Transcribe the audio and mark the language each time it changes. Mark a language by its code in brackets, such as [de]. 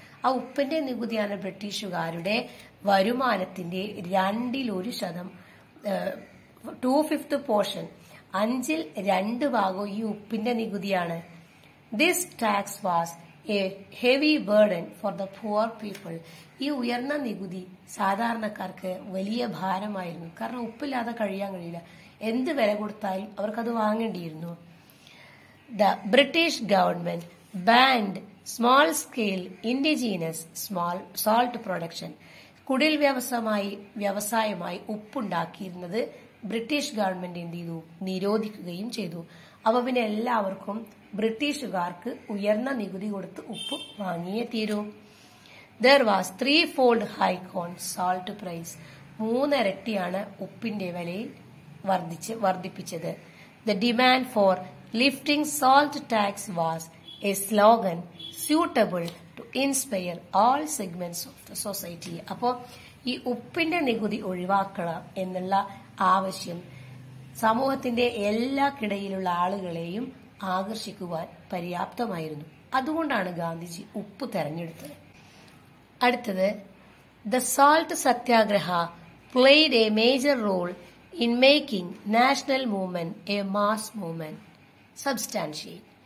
[ml] ആ ഉപ്പിന്റെ നികുതിയാണ് ബ്രിട്ടീഷുകാരുടെ വരുമാനത്തിന്റെ 2/5 അഞ്ചിൽ 2 ഈ ഉപ്പിന്റെ നികുതിയാണ്. [en] This tax was a heavy burden for the poor people. [ml] ഈ ഉയർന്ന നികുതി സാധാരണക്കാർക്ക് വലിയ ഭാരമായിരുന്നു, കാരണം ഉപ്പില്ലാതെ കഴിയാൻ കഴിയില്ല, എന്ത് വില കൊടുത്താലും അവർക്കത് വാങ്ങേണ്ടിയിരുന്നു. [en] The British government banned small-scale indigenous salt production. [ml] കുടിൽ വ്യവസായമായി ഉപ്പുണ്ടാക്കിയിരുന്നത് ബ്രിട്ടീഷ് ഗവൺമെന്റ് എന്ത് ചെയ്തു? നിരോധിക്കുകയും ചെയ്തു. അപ്പൊ പിന്നെ എല്ലാവർക്കും ബ്രിട്ടീഷുകാർക്ക് ഉയർന്ന നികുതി കൊടുത്ത് ഉപ്പ് വാങ്ങിയേ തീരൂ. [en] There was 3-fold hike on salt price. 3x [ml] ഉപ്പിന്റെ വിലയിൽ വർദ്ധിപ്പിച്ചത്. [en] The demand for lifting salt tax was a slogan suitable to inspire all segments of the society. [ml] അപ്പോ ഈ ഉപ്പിന്റെ നികുതി ഒഴിവാക്കണം എന്നുള്ള ആവശ്യം സമൂഹത്തിന്റെ എല്ലാക്കിടയിലുള്ള ആളുകളെയും ആകർഷിക്കുവാൻ പര്യാപ്തമായിരുന്നു. അതുകൊണ്ടാണ് ഗാന്ധിജി ഉപ്പ് തെരഞ്ഞെടുത്തത്. അടുത്തത്, [en] The salt satyagraha played a major role in making national movement a mass movement substantiate.